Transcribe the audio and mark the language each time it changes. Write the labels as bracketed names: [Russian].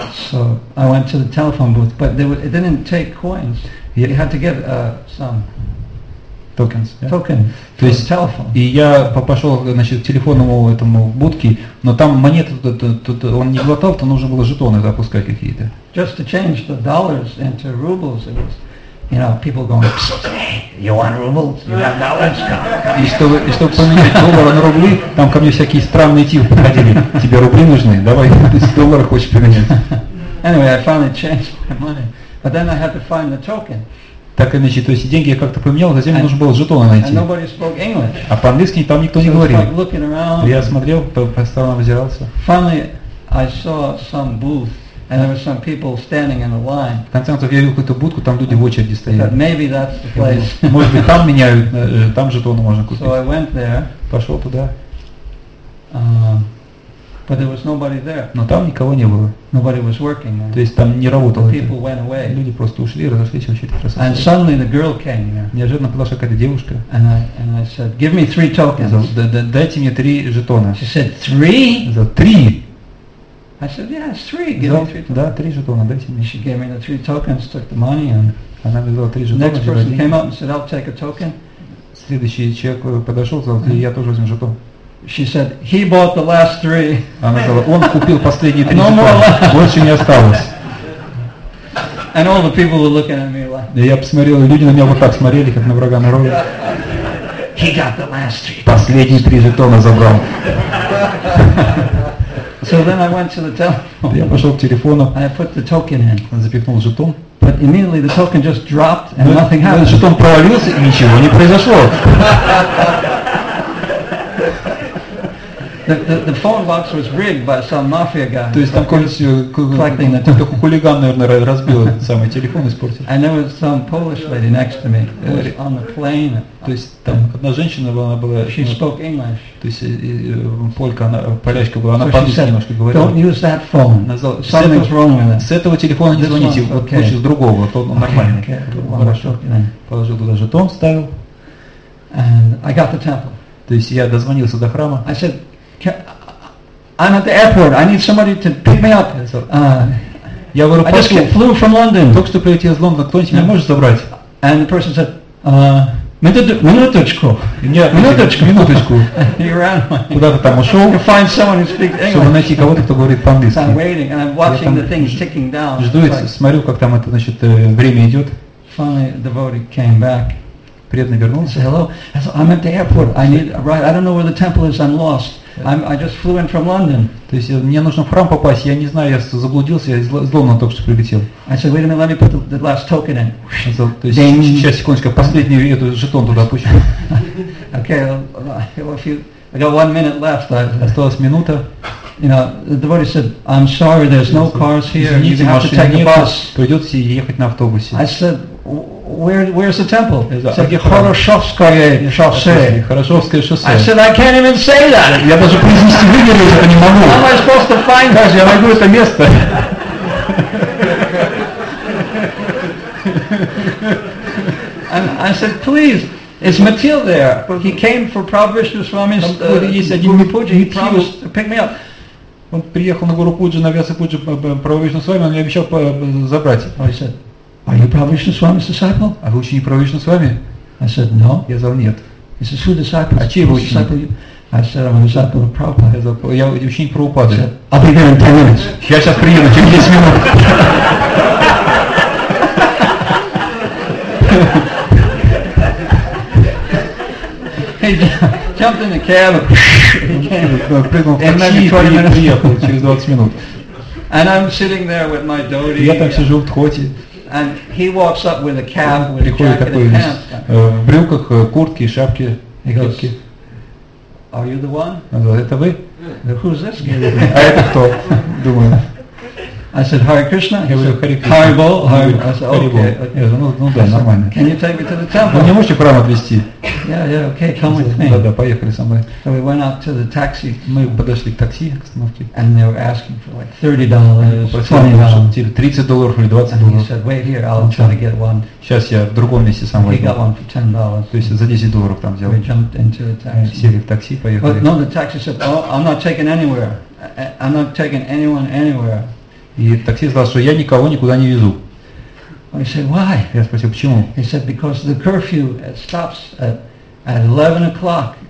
[English] So I went to the telephone booth, but it didn't take coins. You had to get some. Tokens, yeah. Token. [Russian] То есть телефон. И я пошел, значит, к телефонному этому будке, но там монеты он не глотал, то нужно было жетоны запускать какие-то. [English] Just to change the dollars into rubles, it was, you know, people going, hey, you want rubles? You have dollars? [Russian] И чтобы поменять доллары на рубли, там ко мне всякие странные типы приходили. Тебе рубли нужны? Давай, ты доллары хочешь поменять? [English] Anyway, I finally changed my money, but then I had to find the token. [Russian] Так иначе, то есть деньги я как-то поменял, затем мне нужно было жетоны найти. [English] Nobody spoke English. [Russian] А по-английски там никто не говорил. [English] So looking around, [Russian] я смотрел, по сторонам озирался. [English] Finally, I saw some booth, and there were some people standing in a line. [Russian] В конце концов, я видел какую-то будку, там люди в очереди стояли. [English] That maybe that's the place. [Russian] Может быть, там меняют, там жетоны можно купить. [English] So I went there. [Russian] Пошел туда. [English] But there was nobody there. [Russian] Но там никого не было. [English] Nobody was working. [Russian] То есть там не работало. [English] People went away. [Russian] Люди просто ушли, разошлись вообще-то красавцы. [English] And suddenly the girl came. [Russian] Неожиданно подошла какая-то девушка. [English] And I said, give me three tokens. [Russian] Дайте мне три жетона. [English] She said, three? [Russian] За три. [English] I said, yes, three. Give me three tokens. [Russian] Да, три жетона, дайте мне. [English] She gave me the three tokens, took the money, and [Russian] она мне дала три жетона. [English] Next person came up and said, I'll take a token. [Russian] Следующий человек подошел, сказал, я тоже возьму жетон. [English] She said, he bought the last three. [Russian] Она сказала, он купил последние три. [English] No more left. [Russian] Больше не осталось. [English] And all the people were looking at me like. [Russian] Я посмотрел, люди на меня вот так смотрели, как на врага народа. [English] He got the last three. [Russian] Последние три жетона забрал. [English] So then I went to the telephone. [Russian] Я пошел к телефону. [English] I put the token in. [Russian] Запихнул жетон. [English] But immediately the token just dropped and nothing happened. [Russian] Жетон провалился и ничего не произошло. [English] The phone box was rigged by some mafia guy. [Russian] То есть там [English] collecting the [Russian] только хулиган, наверное, разбил самый телефон, испортил. [English] And there was some Polish lady next to me on the plane. [Russian] То есть там одна женщина была, она была. [English] She spoke English. [Russian] То есть полька, она полячка была, она по-английски немножко говорила. [English] Don't use that phone. Something's wrong with it. [Russian] С этого телефона не звоните, лучше с другого, то он нормальный. Хорошо. Положил туда жетон, ставил. [English] And I got the temple. [Russian] То есть я дозвонился до храма. [English] I said. I'm at the airport. I need somebody to pick me up. [Russian] Я в аэропорту. [English] I just flew from London. [Russian] Только что прилетел из Лондона. Кто-нибудь меня может забрать? [English] And the person said, [Russian] Минуточку. Нет, минуточку. Минуточку. Куда ты там ушел? [English] To find someone who speaks English. [Russian] Чтобы найти кого-то, кто говорит по-английски. [English] I'm waiting and I'm watching the thing ticking down. [Russian] Жду, смотрю, как там это, значит, время идет. [English] Finally, the devotee came back. [Russian] Преданный вернулся. [English] Say hello. I said, I'm at the airport. I need a ride. I don't know where the temple is. I'm lost. I just flew in from London. [Russian] То есть мне нужно в храм попасть. Я не знаю, я заблудился. Я из Лондона только что прилетел. [English] I said, wait a minute. Let me put the last token in. [Russian] То есть сейчас секундочку, последний эту жетон туда пущу. [English] Okay. Well, if you, I got 1 minute left. [Russian] Осталась минута. [English] You know, the devotee said, "I'm sorry. There's no cars here. You have to take a bus." [Russian] Придется ехать на автобусе. [English] I said, "Where's the temple?" He said, [Russian] "Хорошовское шоссе." Хорошовское шоссе. [English] I said, "I can't even say that." [Russian] Я даже произнести выговорить это не могу. [English] How am I supposed to find it? [Russian] Я найду это место. [English] And I said, "Please." Is Matil there? He came for Prabhu Vishnu Swami's Gurupuja. He promised to pick me up. [Russian] Он приехал на Гурупуджу, на Вьясапуджу Прабху Вишну Свами, он мне обещал забрать. [English] I said, are you Prabhu Vishnu Swami's disciple? [Russian] А вы ученик Прабху Вишну Свами? [English] I said, no. [Russian] Я сказал, нет. [English] He says, who disciple? [Russian] А чей вы ученик? [English] I said, I'm a disciple of Prabhupada. [Russian] Я ученик Прабхупады. [English] I'll be there in 10 minutes. [Russian] Я сейчас приеду, через 10 минут. [English] He jumped in the cab and [Russian] через 20 минут. [English] And I'm sitting there with my dhoti. [Russian] Я там сижу в дхоти. [English] And he walks up with a cab, with a jacket and pants. [Russian] В брюках, куртке, шапке. [English] He goes, are you the one? [Russian] Он говорит, это вы? [English] Who's this guy? [Russian] А это кто? Думаю. [English] I said, Hare Krishna. [Russian] Я говорю, Hare [English] Krishna. Hare Bol. I said, okay. [Russian] Я говорю, ну да, нормально. [English] Can you take me to the temple? [Russian] Вы не можете храм отвезти? [English] Yeah, okay, come with me. [Russian] Да, поехали со мной. [English] So we went out to the taxi. [Russian] Мы подошли к такси, к остановке. [English] And they were asking for like $30, $20. [Russian] $30 или $20. [English] And he said, wait here, I'll try to get one. [Russian] Сейчас я в другом месте сам возьму. [English] He got one for $10. [Russian] То есть за $10 там взял. [English] We jumped into the taxi. [Russian] Сели в такси, поехали. [English] No, the taxi said, oh, I'm not taking anywhere. I'm not taking anyone anywhere. [Russian] И таксист сказал, что я никого никуда не везу. [English] I said, why? [Russian] Я спросил, почему? [English] He said, because the curfew stops at 11 o'clock.